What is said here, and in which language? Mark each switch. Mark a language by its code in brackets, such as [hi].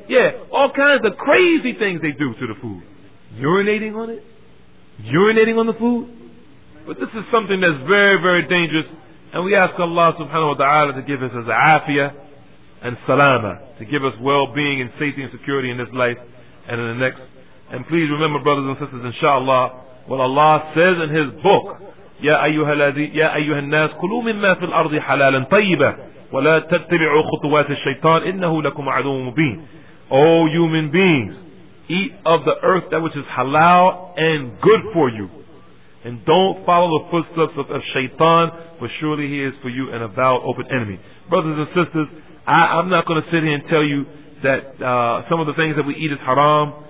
[en] Yeah, all kinds of crazy things they do to the food. Urinating on it? Urinating on the food? But this is something that's very, very dangerous. And we ask Allah subhanahu wa ta'ala to give us his afiyah and salama, to give us well-being and safety and security in this life and in the next. And please remember, brothers and sisters, inshallah, what Allah says in his book, [ar] يَا أَيُّهَا النَّاسِ كُلُوا مِمَّا فِي الْأَرْضِ حَلَالًا طَيِّبًا وَلَا تَتَّبِعُوا خُطُوَاتِ الشَّيْطَانِ إِنَّهُ لَكُمْ عَدُوٌّ مُبِينٌ. [en] O human beings, eat of the earth that which is halal and good for you. And don't follow the footsteps of shaitan, for surely he is for you an avowed open enemy. Brothers and sisters, I'm not going to sit here and tell you that some of the things that we eat is haram.